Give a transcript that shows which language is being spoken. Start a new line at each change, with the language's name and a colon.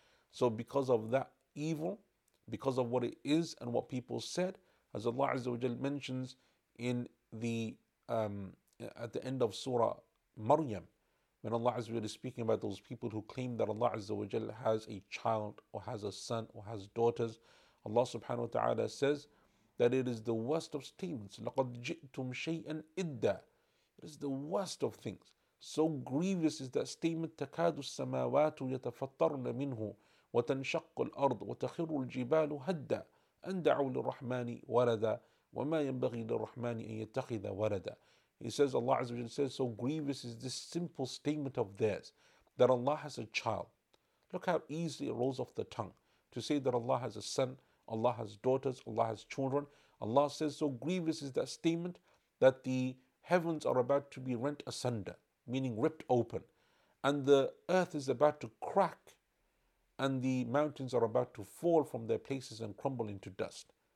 English: So because of that evil, because of what it is and what people said, as Allah Azza wa Jalla mentions in at the end of Surah Maryam, when Allah Azza wa Jalla is speaking about those people who claim that Allah Azza wa Jalla has a child or has a son or has daughters, Allah subhanahu wa ta'ala says that it is the worst of statements.
Arabic: لَقَدْ جِئْتُمْ شَيْئًا إِدَّا.
English: It is the worst of things. So grievous is that statement,
Arabic: تَكَادُ السَّمَاوَاتُ يَتَفَطَّرْنَ مِنْهُ وَتَنْشَقُّ الْأَرْضُ وَتَخِرُّ الْجِبَالُ هَدَّا أَنْ دَعُوا لِلرَّحْمَانِ وَلَدًا وَمَا يَنْبَغِي لِلرَّحْمَانِ أَنْ يَتَّخِذَ وَلَدًا.
English: He says, Allah Azza wa Jalla says, so grievous is this simple statement of theirs, that Allah has a child. Look how easily it rolls off the tongue to say that Allah has a son, Allah has daughters, Allah has children. Allah says, so grievous is that statement that the heavens are about to be rent asunder, meaning ripped open, and the earth is about to crack, and the mountains are about to fall from their places and crumble into dust.